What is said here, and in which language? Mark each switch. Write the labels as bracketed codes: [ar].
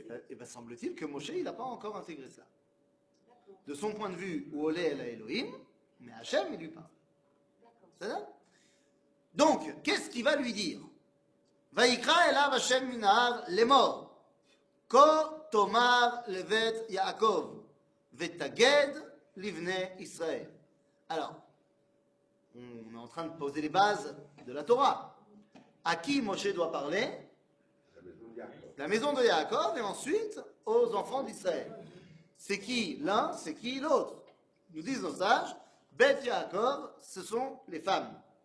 [fr] Et bien, semble-t-il que Moshe, il n'a pas encore intégré ça. D'accord. De son point de vue, où Olé, elle a Elohim, mais Hachem, il lui parle. D'accord. C'est ça ? Donc, qu'est-ce qu'il va lui dire ? [he] ויקרא אליו השם מן ההר לאמור, כה תאמר לבית יעקב, ותגד לבני ישראל. [fr] Alors, on est en train de poser les bases de la Torah. À qui Moshe doit parler ? La maison de Yaakov, et ensuite aux enfants d'Israël. C'est qui l'un, c'est qui l'autre ? Nous disent nos sages, Beth Yaakov, ce sont les femmes.